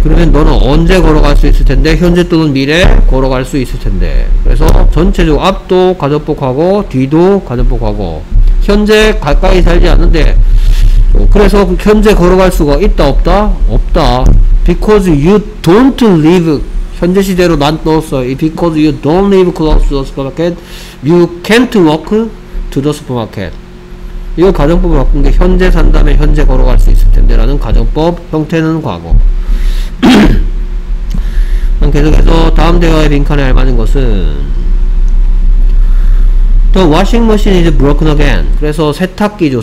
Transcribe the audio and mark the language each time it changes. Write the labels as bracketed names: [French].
[Korean] 그러면 너는 언제 걸어갈 수 있을 텐데 현재 또는 미래 걸어갈 수 있을 텐데. 그래서 전체적으로 앞도 과정법 과거 뒤도 과정법 과거 현재 가까이 살지 않는데 그래서 현재 걸어갈 수가 있다 없다? 없다. [English] because you don't live [Korean] 현재 시대로 난 넣었어. [English] because you don't live close to the supermarket you can't walk to the supermarket. [Korean] 이거 가정법을 바꾼 게 현재 산다면 현재 걸어갈 수 있을 텐데 라는 가정법 형태는 과거. 그럼 계속해서 다음 대화의 빈칸에 알맞은 것은 [English] The washing machine is broken again. [Korean] 그래서 세탁기죠.